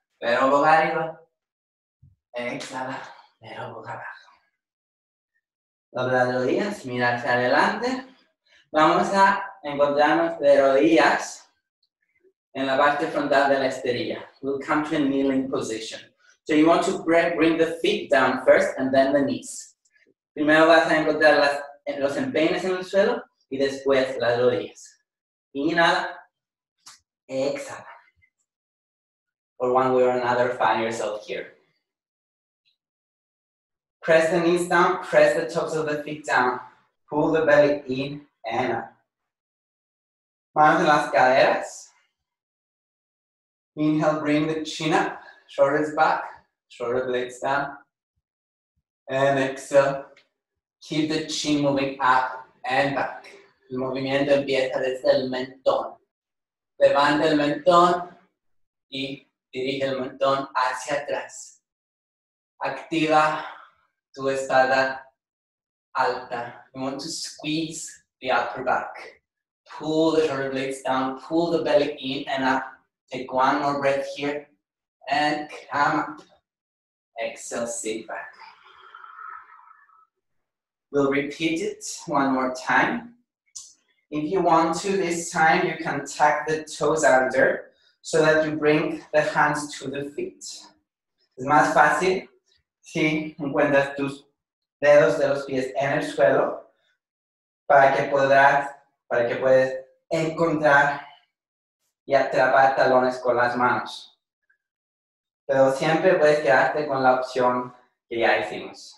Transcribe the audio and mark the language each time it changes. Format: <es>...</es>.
<es>Pero boca arriba. Exhala. Pero boca abajo. Dobla de rodillas, mira hacia adelante. Vamos a encontrarnos de rodillas en la parte frontal de la esterilla.</es> <en>We'll come to a kneeling position. So you want to bring the feet down first and then the knees.</en> <es>Primero vas a encontrar los empeines en el suelo y después las rodillas. Inhala. Exhala.</es> <en>Or one way or another, find yourself here. Press the knees down, press the tops of the feet down. Pull the belly in and up.</en> <es>Manos en las caderas.</es> <en>Inhale, bring the chin up, shoulders back, shoulder blades down. And exhale, keep the chin moving up and back.</en> <es>El movimiento empieza desde el mentón. Levanta el mentón y dirige el mentón hacia atrás. Activa tu espalda alta.</es> <en>You want to squeeze the upper back. Pull the shoulder blades down. Pull the belly in and up. Take one more breath here. And come up. Exhale, sit back. We'll repeat it one more time. If you want to, this time you can tuck the toes under so that you bring the hands to the feet.</en> <es>Es más fácil. Si encuentras tus dedos de los pies en el suelo, para que puedas encontrar y atrapar talones con las manos. Pero siempre puedes quedarte con la opción que ya hicimos.</es>